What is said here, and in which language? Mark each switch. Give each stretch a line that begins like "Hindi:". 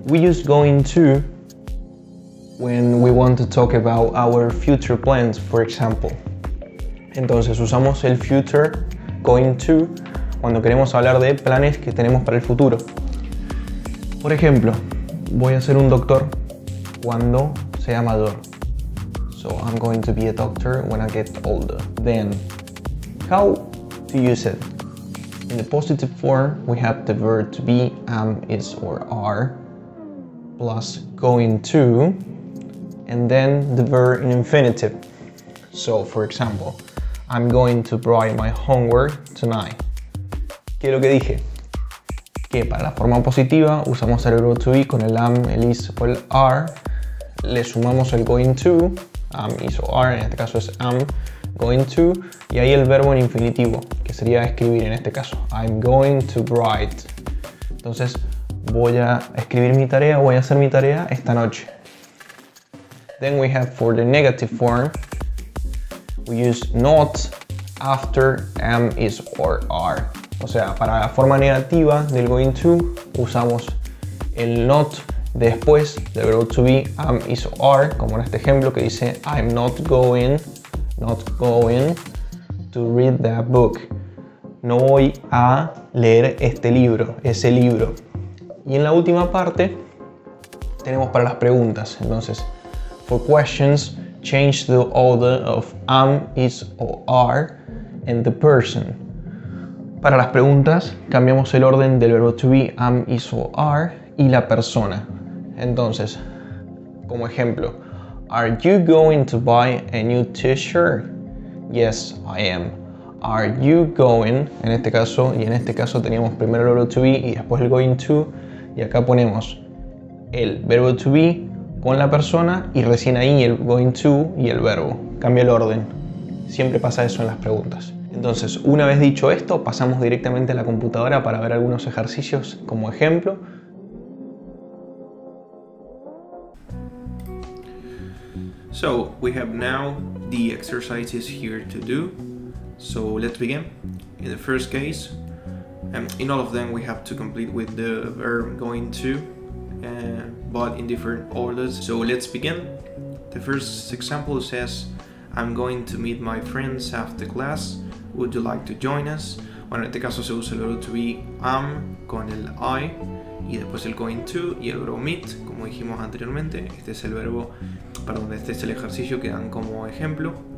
English: We use going to when we want to talk about our future plans, for example.
Spanish: Entonces usamos el future going to cuando queremos hablar de planes que tenemos para el futuro. Por ejemplo, voy a ser un doctor cuando sea mayor.
English: So I'm going to be a doctor when I get older. Then, how to use it? In the positive form, we have the verb to be, am, is, or are, plus going to, and then the verb in infinitive. So, for example, I'm going to write my homework tonight.
Spanish: ¿Qué es lo que dije? Que para la forma positiva usamos el verbo to be con el am, el is, o el are, le sumamos el going to, am, is, or are, en este caso es am, going to, y ahí el verbo en infinitivo, que sería escribir en este caso,
English: I'm going to write.
Spanish: Entonces, voy a escribir mi tarea, voy a hacer mi tarea esta noche.
English: Then we have for the negative form, we use not, after, am, is, or are.
Spanish: O sea, para la forma negativa del going to, usamos el not después del verbo to be, am, is, or are, como en este ejemplo que dice,
English: I'm not going, to read that book.
Spanish: No voy a leer este libro, ese libro. Y en la última parte, tenemos para las preguntas.
English: Entonces, for questions, change the order of am, is, or are, and the person.
Spanish: Para las preguntas, cambiamos el orden del verbo to be, am, is, or are, y la persona. Entonces, como ejemplo,
English: are you going to buy a new t-shirt? Yes, I am. Are you going,
Spanish: en este caso, y en este caso teníamos primero el verbo to be y después el going to, y acá ponemos el verbo to be con la persona y recién ahí el going to y el verbo. Cambia el orden. Siempre pasa eso en las preguntas. Entonces, una vez dicho esto, pasamos directamente a la computadora para ver algunos ejercicios como ejemplo.
English: So, we have now the exercises here to do. So, let's begin. In the first case, in all of them we have to complete with the verb going to, but in different orders. So, let's begin. The first example says, I'm going to meet my friends after class. Would you like to join us?
Spanish: Bueno, en este caso se usa el verbo to be am con el I, y después el going to y el verbo meet, como dijimos anteriormente. Este es el verbo, perdón, este es el ejercicio que dan como ejemplo.